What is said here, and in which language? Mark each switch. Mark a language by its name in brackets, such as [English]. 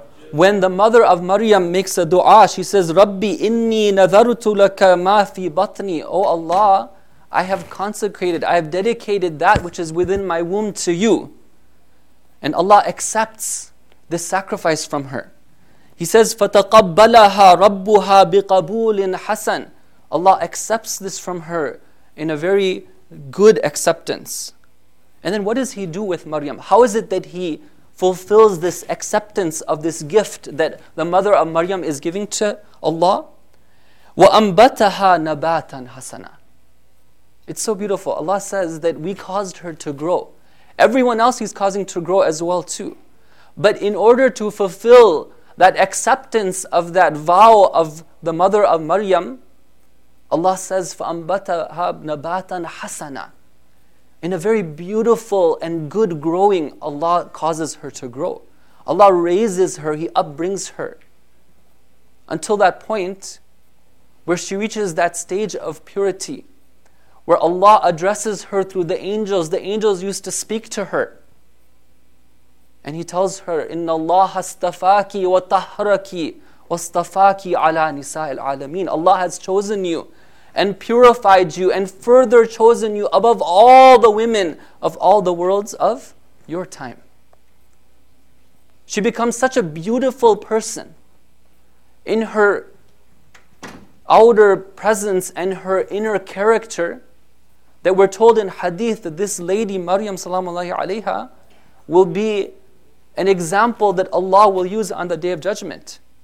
[English] When the mother of Maryam makes a dua, she says, [Arabic] Rabbi inni nadhartu laka ma fi batni. [English] O Allah, I have consecrated, I have dedicated that which is within my womb to you. And Allah accepts this sacrifice from her. He says, [Arabic] فَتَقَبَّلَهَا رَبُّهَا بِقَبُولٍ حَسَنٍ. [English] Allah accepts this from her in a very good acceptance. And then what does he do with Maryam? How is it that he fulfills this acceptance of this gift that the mother of Maryam is giving to Allah? [Arabic] وَأَنْبَتَهَا نَبَاتًا حَسَنًا. [English] It's so beautiful. Allah says that we caused her to grow. Everyone else he's causing to grow as well too. But in order to fulfill that acceptance of that vow of the mother of Maryam, Allah says, [Arabic] فَأَنْبَتَهَا نَبَاتًا حَسَنًا. [English] In a very beautiful and good growing, Allah causes her to grow. Allah raises her, He upbrings her. Until that point, where she reaches that stage of purity, where Allah addresses her through the angels. The angels used to speak to her. And He tells her, [Arabic] إِنَّ اللَّهَ اصْطَفَاكِ وَطَهَّرَكِ وَاصْطَفَاكِ عَلَى نِسَاءِ الْعَالَمِينَ. [English] Allah has chosen you and purified you and further chosen you above all the women of all the worlds of your time. She becomes such a beautiful person in her outer presence and her inner character that we're told in hadith that this lady, Maryam salamu alayhi alayha, will be an example that Allah will use on the Day of Judgment.